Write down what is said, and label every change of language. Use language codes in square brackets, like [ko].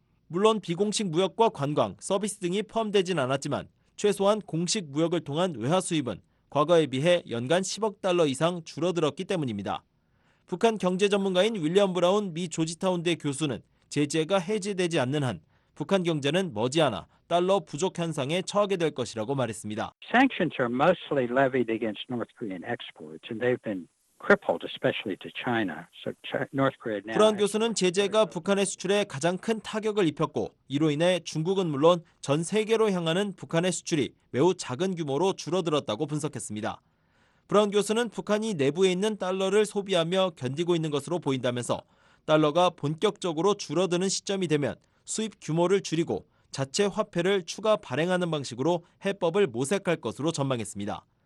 [ko] 물론 비공식 무역과 관광, 서비스 등이 포함되진 않았지만 최소한 공식 무역을 통한 외화 수입은 과거에 비해 연간 10억 달러 이상 줄어들었기 때문입니다. 북한 경제 전문가인 윌리엄 브라운 미 조지타운대 교수는 제재가 해제되지 않는 한 북한 경제는 머지않아 달러 부족 현상에 처하게 될 것이라고 말했습니다. [en] Sanctions are mostly levied against North Korean exports and they've been crippled especially to China. So North Korea now. [ko] 브라운 교수는 제재가 북한의 수출에 가장 큰 타격을 입혔고 이로 인해 중국은 물론 전 세계로 향하는 북한의 수출이 매우 작은 규모로 줄어들었다고 분석했습니다. 브라운 교수는 북한이 내부에 있는 달러를 소비하며 견디고 있는 것으로 보인다면서 달러가 본격적으로 줄어드는 시점이 되면 수입 규모를 줄이고 자체 화폐를 추가 발행하는 방식으로 해법을 모색할 것으로 전망했습니다.